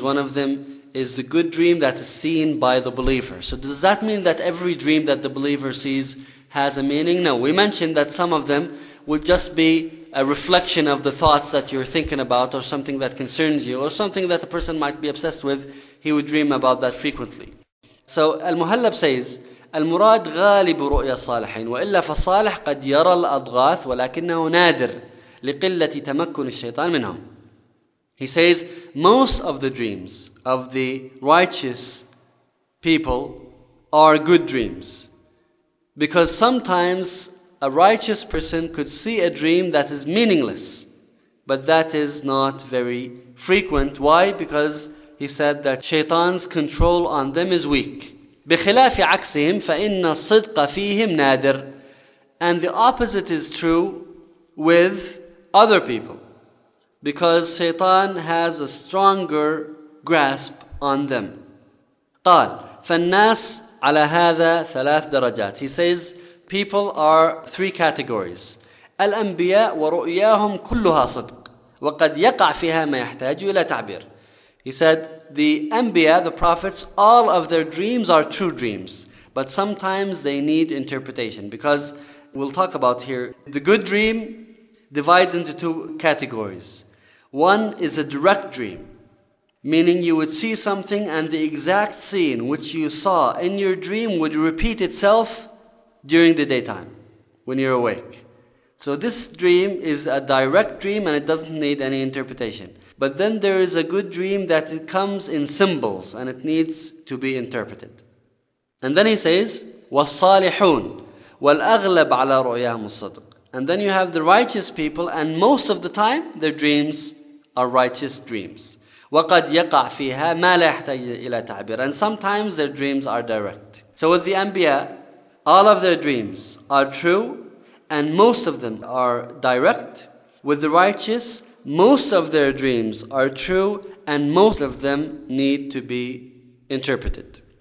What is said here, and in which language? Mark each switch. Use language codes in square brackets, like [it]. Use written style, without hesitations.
[en] One of them is the good dream that is seen by the believer. So does that mean that every dream that the believer sees has a meaning? No, we mentioned that some of them would just be a reflection of the thoughts that you're thinking about, or something that concerns you, or something that a person might be obsessed with, he would dream about that frequently. So Al-Muhallab says, [ar] المراد غالب رؤيا الصالحين وإلا فالصالح قد يرى الأضغاث ولكنه نادر لقلة تمكن الشيطان منهم. [en] He says, most of the dreams of the righteous people are good dreams, because sometimes a righteous person could see a dream that is meaningless, but that is not very frequent. Why? Because he said that shaitan's control on them is weak. [ar] بخلاف عكسهم فإن الصدق فيهم نادر. [en] And the opposite is true with other people, because shaitan has a stronger grasp on them. [ar] قال فالناس على هذا 3 درجات. [en] He says, people are 3 categories. [ar] الأنبياء ورؤياهم كلها صدق وقد يقع فيها ما يحتاج إلى تعبير. [en] He said, the Anbiya, the prophets, all of their dreams are true dreams, but sometimes they need interpretation, because we'll talk about here, the good dream divides into 2 categories. One is a direct dream, meaning you would see something and the exact scene which you saw in your dream would repeat itself during the daytime, when you're awake. So this dream is a direct dream and it doesn't need any interpretation. But then there is a good dream that it comes in symbols and it needs to be interpreted. And then he says, [ar] والصالحون والأغلب على رؤياهم الصدق. [en] And then you have the righteous people, and most of the time their dreams are righteous dreams. [ar] وقد يقع فيها ما لا يحتاج إلى تعبير. [en] And sometimes their dreams are direct. So with the Anbiya, all of their dreams are true and most of them are direct. With the righteous, most of their dreams are true and most of them need to be interpreted.